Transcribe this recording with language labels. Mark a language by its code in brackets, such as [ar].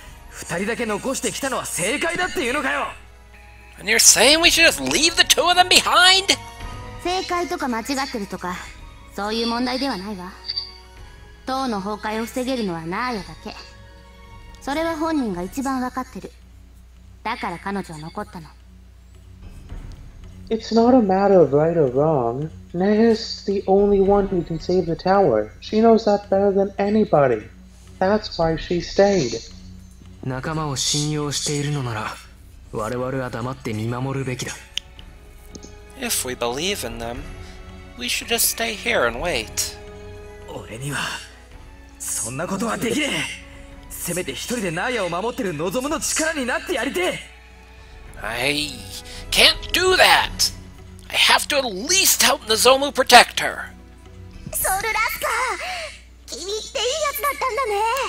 [ja] 2人だけ残してきたのは正解だっていうのかよ。 [en] And you're saying we should just leave the two of them behind? [ja] 正解とか間違ってるとか、そういう問題ではないわ。塔の崩壊を防げるのはナーヤだけ。それは本人が一番わかってる。だから彼女は残ったの。 [en] It's not a matter of right or wrong. Naya's the only one who can save the tower. She knows that better than anybody. That's why she stayed. [ja] 仲間を信用しているのなら、我々は黙って見守るべきだ。 [en] If we believe in them, we should just stay here and wait. [ja] 俺には、そんなことはできねえ。せめて一人でナーヤを守ってる望むの力になってやりて [en] え。I can't do that! I have to at least help Nozomu protect her! [ja] ソウルラスカー、君っていいやつだったんだね。